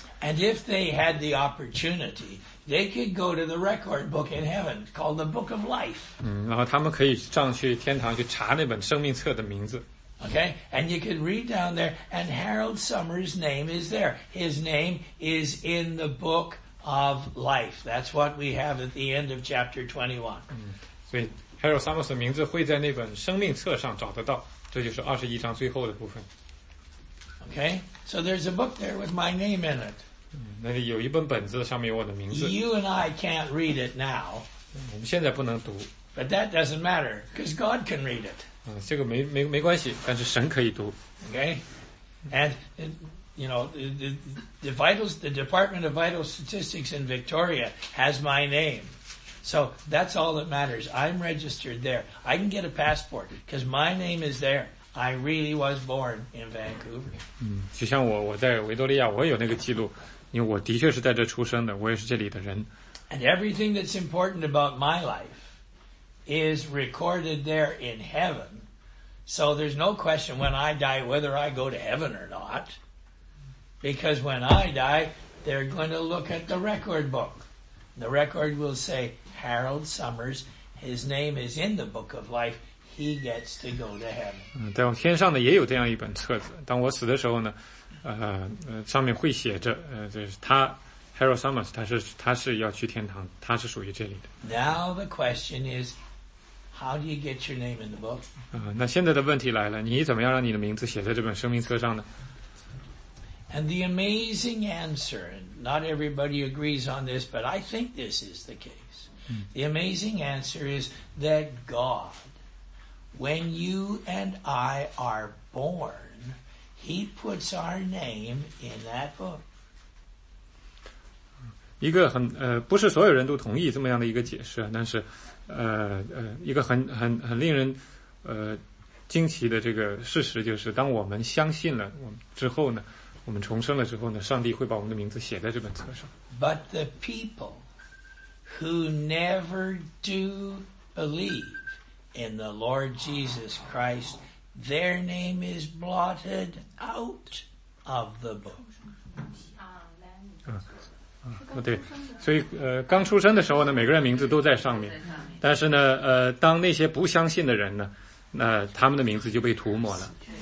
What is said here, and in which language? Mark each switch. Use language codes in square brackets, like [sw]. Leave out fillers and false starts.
[en] And if they had the opportunity, they could go to the record book in heaven called the Book of Life. [zh] 然后他们可以上去天堂去查那本生命册的名字。 [en] Okay, and you can read down there, and Harold Summers' name is there. His name is in the Book of Life. That's what we have at the end of chapter 21. [zh] 所以 Harold Summers 的名字会在那本生命册上找得到，这就是21章最后的部分。 [en] Okay, so there's a book there with my name in it. [zh] 那里有一本本子，上面有我的名字。 [en] You and I can't read it now. [zh] 我们现在不能读。 [en] But that doesn't matter, because God can read it. [zh] 这个没关系，但是神可以读。 [en] Okay, and you know the Department of Vital Statistics in Victoria has my name, so that's all that matters. I'm registered there. I can get a passport because my name is there. I really was born in Vancouver. [zh] 就像我在维多利亚，我有那个记录，因为我的确是在这出生的，我也是这里的人。 [en] And everything that's important about my life is recorded there in heaven. So there's no question when I die whether I go to heaven or not. Because when I die, they're going to look at the record book. The record will say, Harold Summers, his name is in the Book of Life, he gets to go to heaven. [zh] 在天上呢也有这样一本册子，当我死的时候呢，上面会写着，就是他Harold Summers, 他是要去天堂，他是属于这里的。 [en] Now the question is, how do you get your name in the book? [zh] 那现在的问题来了，你怎么样让你的名字写在这本生命册上呢？ [en] And the amazing answer, and not everybody agrees on this, but I think this is the case. The amazing answer is that God, when you and I are born, he puts our name in that book. [zh] 一个很不是所有人都同意这么样的一个解释，但是一个很令人惊奇的这个事实，就是当我们相信了之后呢，我们重生了之后呢，上帝会把我们的名字写在这本册上。 [en] But the people who never do believe in the Lord Jesus Christ, their name is blotted out of the book. [zh] 对，所以刚出生的时候呢，每个人名字都在上面，但是呢，当那些不相信的人呢，那他们的名字就被涂抹了。